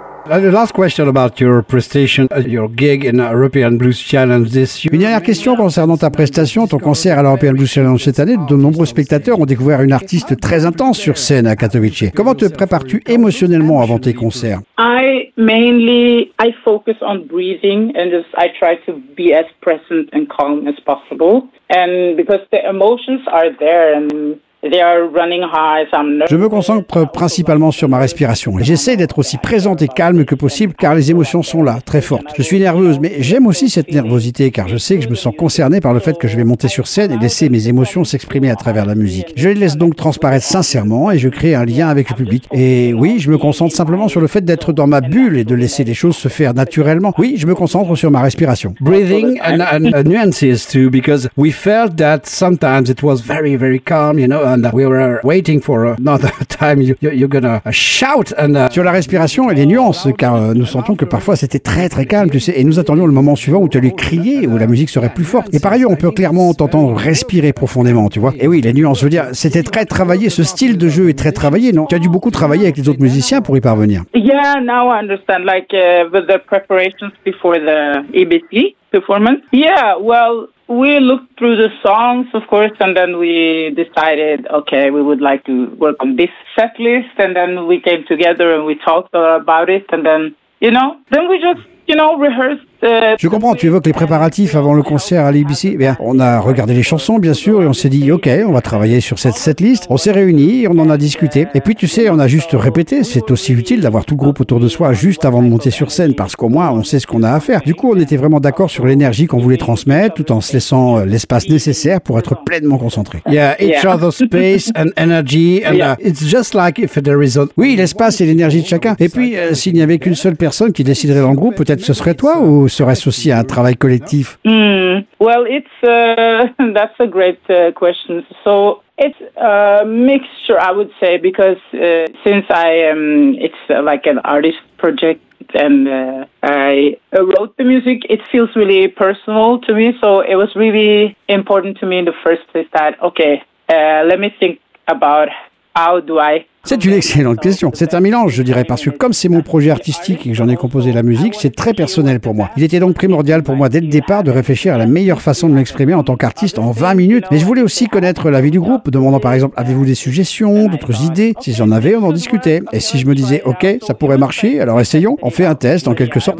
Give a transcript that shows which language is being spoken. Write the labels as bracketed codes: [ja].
[en] The last question about your prestation, your gig in European Blues Challenge this year. [fr] Une dernière question concernant ta prestation, ton concert à l'European Blues Challenge cette année. De nombreux spectateurs ont découvert une artiste très intense sur scène à Katowice. Comment te prépares-tu émotionnellement avant tes concerts? I focus on breathing and just I try to be as present and calm as possible. And because the emotions are there and they are running high, so I'm nervous. Je me concentre principalement sur ma respiration. J'essaie d'être aussi présente et calme que possible car les émotions sont là, très fortes. Je suis nerveuse, mais j'aime aussi cette nervosité car je sais que je me sens concernée par le fait que je vais monter sur scène et laisser mes émotions s'exprimer à travers la musique. Je les laisse donc transparaître sincèrement et je crée un lien avec le public. Et oui, je me concentre simplement sur le fait d'être dans ma bulle et de laisser les choses se faire naturellement. Oui, je me concentre sur ma respiration. [en] Breathing and nuances too, because we felt that sometimes it was very, very calm, you know. And we were waiting for another time you're gonna shout. And [fr] sur la respiration et les nuances, car nous sentons que parfois c'était très très calme, tu sais, et nous attendions le moment suivant où tu allais crier, où la musique serait plus forte. Et par ailleurs, on peut clairement t'entendre respirer profondément, tu vois. Et oui, les nuances, je veux dire, c'était très travaillé, ce style de jeu est très travaillé, non? Tu as dû beaucoup travailler avec les autres musiciens pour y parvenir. [en] Yeah, now I understand, like with the preparations before the EBC performance. Yeah, well, we looked through the songs, of course, and then we decided, okay, we would like to work on this set list. And then we came together and we talked about it. And then, you know, then we just, you know, rehearsed. [fr] Je comprends, tu évoques les préparatifs avant le concert à l'ABC. Bien, on a regardé les chansons, bien sûr, et on s'est dit, ok, on va travailler sur cette setlist. On s'est réunis, on en a discuté. Et puis, tu sais, on a juste répété. C'est aussi utile d'avoir tout le groupe autour de soi juste avant de monter sur scène, parce qu'au moins, on sait ce qu'on a à faire. Du coup, on était vraiment d'accord sur l'énergie qu'on voulait transmettre, tout en se laissant l'espace nécessaire pour être pleinement concentré. [en] Yeah, each other's space and energy. And, it's just like if there is a... [fr] Oui, l'espace et l'énergie de chacun. Et puis, s'il n'y avait qu'une seule personne qui déciderait dans le groupe, peut-être ce serait toi ou... serait-ce aussi un travail collectif? [en] Well, it's that's a great question. So it's a mixture, I would say, because since I am, it's like an artist project. And I wrote the music. It feels really personal to me, so it was really important to me in the first place that okay, let me think about how do I. [fr] C'est une excellente question. C'est un mélange, je dirais, parce que comme c'est mon projet artistique et que j'en ai composé la musique, c'est très personnel pour moi. Il était donc primordial pour moi dès le départ de réfléchir à la meilleure façon de m'exprimer en tant qu'artiste en 20 minutes. Mais je voulais aussi connaître l'avis du groupe, demandant par exemple, avez-vous des suggestions, d'autres idées? Si j'en avais, on en discutait. Et si je me disais, ok, ça pourrait marcher, alors essayons, on fait un test en quelque sorte.